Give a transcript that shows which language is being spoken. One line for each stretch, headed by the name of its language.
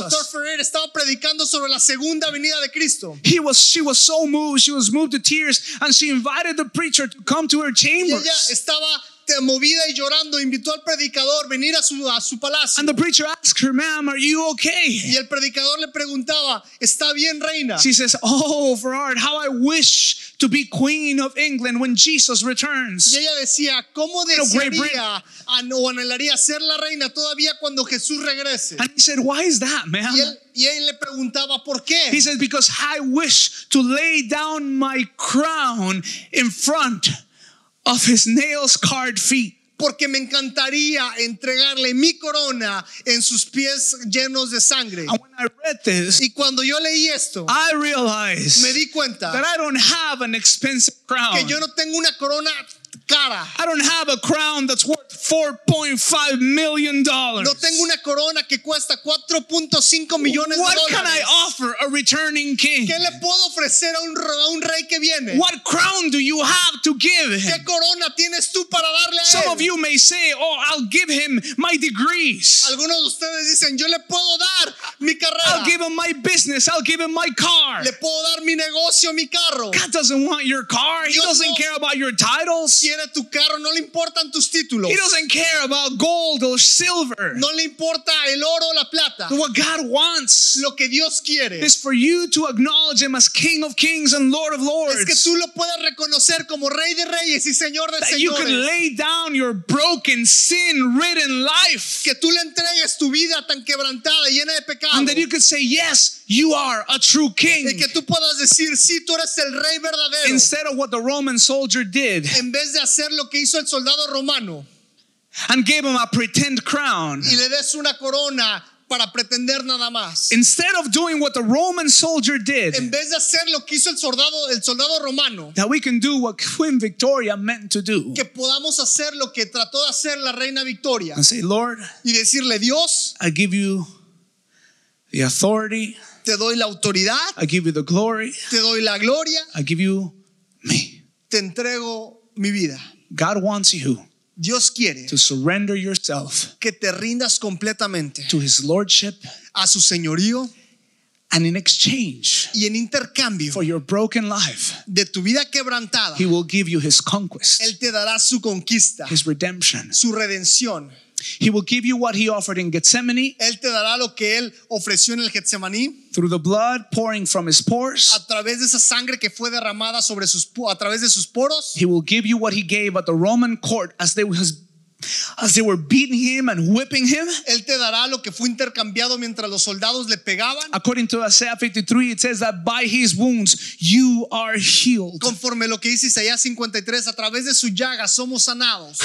English: Dr.
Spanish: Farrar estaba predicando sobre la segunda venida de Cristo.
English: She was so moved. She was moved to tears. And she invited the preacher to come to her chambers.
Spanish: Y ella estaba movida y llorando, invitó al predicador a venir a su palacio.
English: And the preacher asked her, "Ma'am, are you okay?"
Spanish: Y el predicador le preguntaba, "¿Está bien, reina?"
English: She says, "Oh, Ferrard, how I wish to be queen of England when Jesus returns."
Spanish: Y ella decía, "¿Cómo desearía o anhelaría ser la reina todavía cuando Jesús regrese?"
English: And he said, "Why is that, ma'am?"
Spanish: Y él le preguntaba, ¿por qué?
English: He says, "Because I wish to lay down my crown in front of his nail-scarred feet."
Spanish: Porque me encantaría entregarle mi corona en sus pies llenos de sangre.
English: And when I read this,
Spanish: y cuando yo leí esto,
English: I realized,
Spanish: me di cuenta,
English: that I don't have an expensive crown.
Spanish: Que yo no tengo una corona cara.
English: I don't have a crown that's worth $4.5 million.
Spanish: No tengo una corona que cuesta 4.5 millones
English: what
Spanish: de dólares.
English: What can I offer a returning king?
Spanish: ¿Qué le puedo ofrecer a un rey que viene?
English: What crown do you have to give him?
Spanish: ¿Qué corona tienes tú para darle a él?
English: Some of you may say, "Oh, I'll give him my degrees."
Spanish: Algunos de ustedes dicen, "Yo le puedo dar mi carrera."
English: I'll give him my business. I'll give him my car.
Spanish: Le puedo dar mi negocio, mi carro.
English: God doesn't want your car. He
Spanish: Dios
English: doesn't
Spanish: no
English: care about your titles.
Spanish: Quiere tu carro, no le importan tus títulos.
English: He doesn't care about gold or silver.
Spanish: No le importa el oro o la plata.
English: What God wants,
Spanish: lo que Dios quiere,
English: is for you to acknowledge him as King of Kings and Lord of Lords.
Spanish: Es que tú lo puedas reconocer como Rey de Reyes y Señor de
English: that
Spanish: Señores.
English: You can lay down your broken, sin-ridden life.
Spanish: Que tú le entregues tu vida tan quebrantada, llena de pecado.
English: And then you can say, "Yes, you are a true king."
Spanish: Y que tú puedas decir, "Sí, tú eres el rey verdadero."
English: Instead of what the Roman soldier did.
Spanish: En vez de hacer lo que hizo el soldado romano.
English: And gave him a pretend crown.
Spanish: Y le des una corona para pretender nada más.
English: Instead of doing what the Roman soldier did.
Spanish: En vez de hacer lo que hizo el soldado romano.
English: That we can do what Queen Victoria meant to do.
Spanish: Que podamos hacer lo que trató de hacer la reina Victoria.
English: And say, "Lord."
Spanish: Y decirle, "Dios."
English: I give you the authority.
Spanish: Te doy la autoridad.
English: I give you the glory.
Spanish: Te doy la gloria.
English: I give you me.
Spanish: Te entrego mi vida.
English: God wants you.
Spanish: Dios quiere
English: to surrender yourself
Spanish: que te rindas completamente
English: to his lordship
Spanish: a su señorío
English: and in exchange
Spanish: y en intercambio
English: for your broken life
Spanish: de tu vida quebrantada
English: he will give you his conquest
Spanish: él te dará su conquista
English: his redemption
Spanish: su redención
English: he will give you what he offered in Gethsemane
Spanish: él te dará lo que él ofreció en el Getsemaní
English: through the blood pouring from his pores
Spanish: a través de esa sangre que fue derramada sobre sus a través de sus poros
English: he will give you what he gave at the Roman court as they were beating him and whipping him
Spanish: él te dará lo que fue intercambiado mientras los soldados le pegaban
English: according to Isaiah 53 it says that by his wounds you are healed
Spanish: conforme lo que dice Isaías 53 a través de su llaga somos sanados